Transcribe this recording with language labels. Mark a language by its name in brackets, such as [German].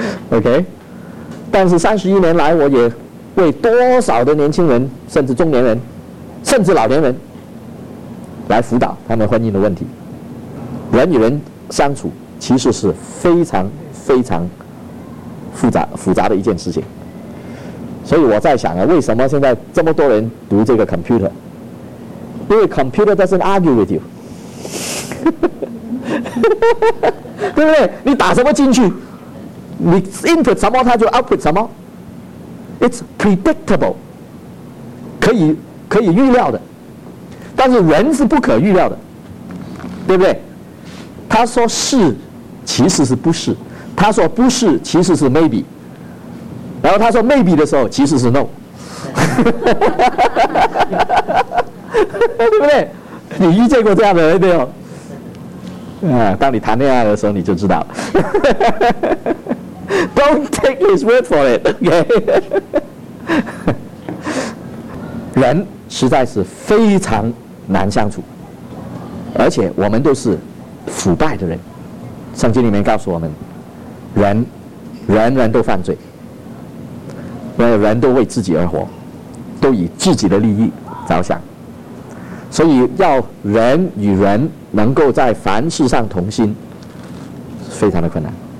[Chinese] OK， 但是31年来我也为多少的年轻人甚至中年人甚至老年人来辅导他们婚姻的问题，人与人相处其实是非常非常复杂的一件事情。所以我在想啊，为什么现在这么多人读这个 computer？因为 [English] computer doesn't argue with you， [Chinese] 对不对？你打什么进去，你 input 什么，它就 output 什么 ， [English] it's predictable， [Chinese] 可以预料的。但是人是不可预料的，对不对？他说是，其实是不是？他说不是，其实是 maybe。然后他说 maybe 的时候，其实是 no， 对不对？你遇见过这样的人没有？当你谈恋爱的时候，你就知道了。 [English] Don't take his word for it， OK？ [Chinese] 人实在是非常难相处，而且我们都是腐败的人。圣经里面告诉我们，人人都犯罪。人都为自己而活，都以自己的利益着想，所以要人与人能够在凡事上同心非常的困难。